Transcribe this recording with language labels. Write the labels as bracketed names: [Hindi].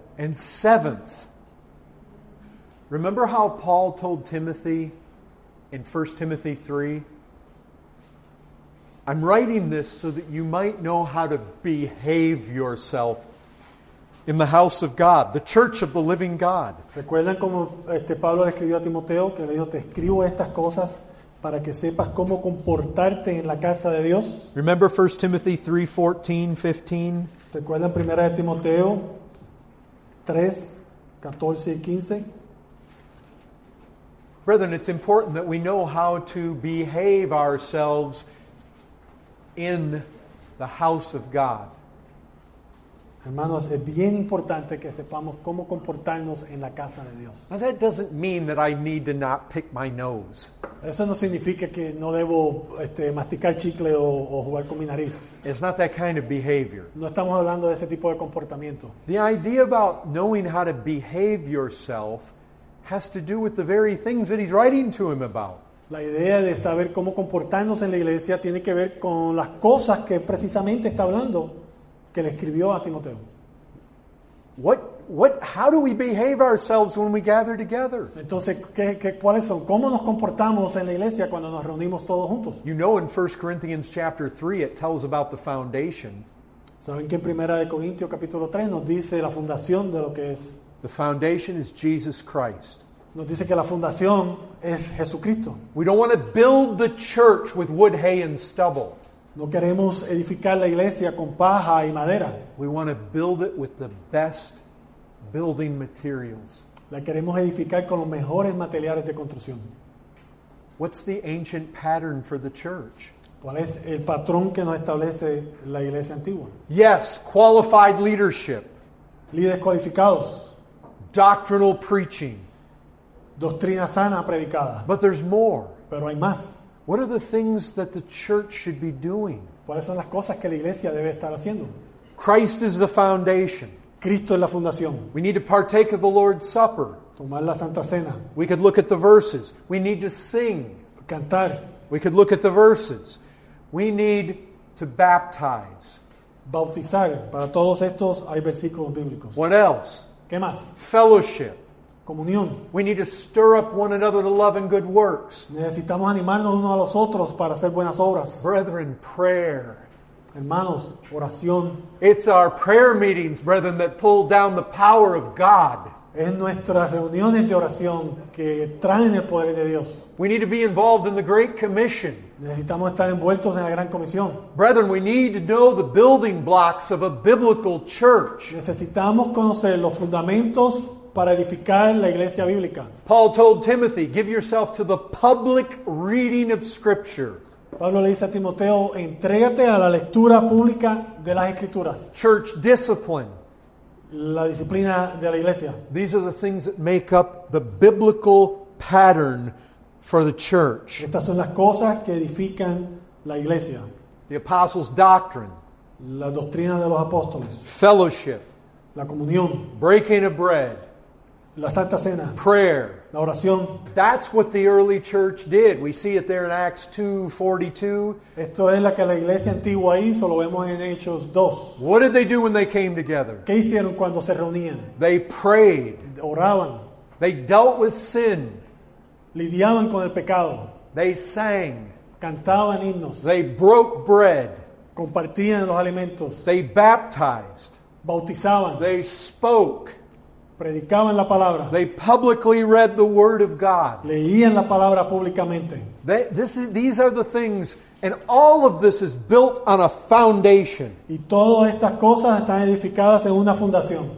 [English] And seventh, remember how Paul told Timothy in 1 Timothy 3? I'm writing this so that you might know how to behave yourself in the house of God, the church of the living God. [Spanish] ¿Recuerdan cómo Pablo le escribió a Timoteo? Que le dijo, te escribo estas cosas para que sepas cómo comportarte en la casa de Dios. [English] Remember 1 Timothy 3, 14, 15? [Spanish] ¿Recuerdan 1 Timoteo 3, 14 y 15? [English] Brethren, it's important that we know how to behave ourselves in the house of God. [Spanish] Hermanos, es bien importante que sepamos cómo comportarnos en la casa de Dios. [English] Now that doesn't mean that I need to not pick my nose. [Spanish] Eso no significa que no debo masticar chicle o jugar con mi nariz. [English] It's not that kind of behavior. [Spanish] No estamos hablando de ese tipo de comportamiento. [English] The idea about knowing how to behave yourself has to do with the very things that he's writing to him about. [Spanish] La idea de saber cómo comportarnos en la iglesia tiene que ver con las cosas que precisamente está hablando, que le escribió a Timoteo. [English] How do we behave ourselves when we gather together? [Spanish] Entonces, ¿cuáles son? ¿Cómo nos comportamos en la iglesia cuando nos reunimos todos juntos? [English] You know, in 1 Corinthians chapter 3, it tells about the foundation. [Spanish] ¿Saben que en 1 Corintios capítulo 3 nos dice la fundación de lo que es? [English] The foundation is Jesus Christ. [Spanish] Nos dice que la fundación es Jesucristo. [English] We don't want to build the church with wood, hay, and stubble. [Spanish] No queremos edificar la iglesia con paja y madera. [English] We want to build it with the best building materials. [Spanish] La queremos edificar con los mejores materiales de construcción. [English] What's the ancient pattern for the church? [Spanish] ¿Cuál es el patrón que nos establece la iglesia antigua? [English] Yes, qualified leadership. [Spanish] Líderes cualificados. [English] Doctrinal preaching. [Spanish] Doctrina sana predicada. [English] But there's more. [Spanish] Pero hay más. [English] What are the things that the church should be doing? [Spanish] ¿Cuáles son las cosas que la iglesia debe estar haciendo? [English] Christ is the foundation. [Spanish] Cristo es la fundación. [English] We need to partake of the Lord's Supper. [Spanish] Tomar la Santa Cena. [English] We could look at the verses. We need to sing. [Spanish] Cantar. [English] We could look at the verses. We need to baptize. [Spanish] Bautizar. Para todos estos hay versículos bíblicos. [English] What else? [Spanish] ¿Qué más? [English] Fellowship. [Spanish] Comunión. [English] We need to stir up one another to love and good works. [Spanish] Necesitamos animarnos unos a los otros para hacer buenas obras. [English] Brethren, prayer. [Spanish] Hermanos, oración. [English] It's our prayer meetings, brethren, that pull down the power of God. [Spanish] Es nuestras reuniones de oración que traen el poder de Dios. [English] We need to be involved in the Great Commission. [Spanish] Necesitamos estar envueltos en la Gran Comisión. [English] Brethren, we need to know the building blocks of a biblical church. [Spanish] Necesitamos conocer los fundamentos para edificar la iglesia bíblica. [English] Paul told Timothy, give yourself to the public reading of Scripture. [Spanish] Pablo le dice a Timoteo, entrégate a la lectura pública de las Escrituras. [English] Church discipline. [Spanish] La disciplina de la iglesia. [English] These are the things that make up the biblical pattern for the church. [Spanish] Estas son las cosas que edifican la iglesia. [English] The apostles' doctrine. [Spanish] La doctrina de los apóstoles. [English] Fellowship. [Spanish] La comunión. [English] Breaking of bread. [Spanish] La Santa Cena. [English] Prayer. [Spanish] La oración. [English] That's what the early church did. We see it there in Acts 2:42. [Spanish] Esto es lo que la iglesia antigua hizo, lo vemos en Hechos 2. [English] What did they do when they came together? [Spanish] ¿Qué hicieron cuando se reunían? [English] They prayed. [Spanish] Oraban. [English] They dealt with sin. [Spanish] Lidiaban con el pecado. [English] They sang. [Spanish] Cantaban himnos. [English] They broke bread. [Spanish] Compartían los alimentos. [English] They baptized. [Spanish] Bautizaban. [English] They spoke. [Spanish] Predicaban la palabra. [English] They publicly read the word of God. [Spanish] Leían la palabra públicamente. [English] These are the things, and all of this is built on a foundation. [Spanish] Y todas estas cosas están edificadas en una fundación.